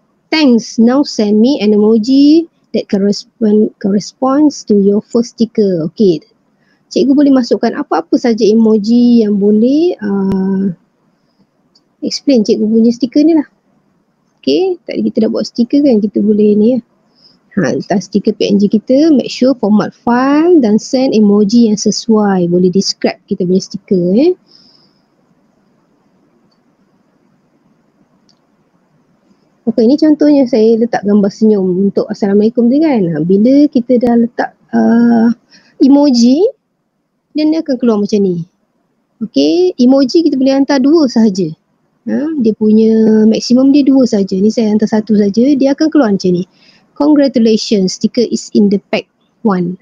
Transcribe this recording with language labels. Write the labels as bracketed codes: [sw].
[en] Thanks, now send me an emoji that corresponds to your first sticker. Okay. [ms] Cikgu boleh masukkan apa-apa saja emoji yang boleh [en] explain [ms] cikgu punya stiker ni lah. Okay, tadi kita dah buat stiker kan, kita boleh ni hantar stiker PNG kita, [en] make sure [ms] format file dan [en] send [ms] emoji yang sesuai, boleh [en] describe [ms] kita punya stiker . Okay, ni contohnya saya letak gambar senyum untuk Assalamualaikum tu kan. Bila kita dah letak emoji, dan dia akan keluar macam ni. Okay, emoji kita boleh hantar dua sahaja. Dia punya maksimum dia dua sahaja. Ni saya hantar satu sahaja, dia akan keluar macam ni. [en] Congratulations, sticker is in the pack one.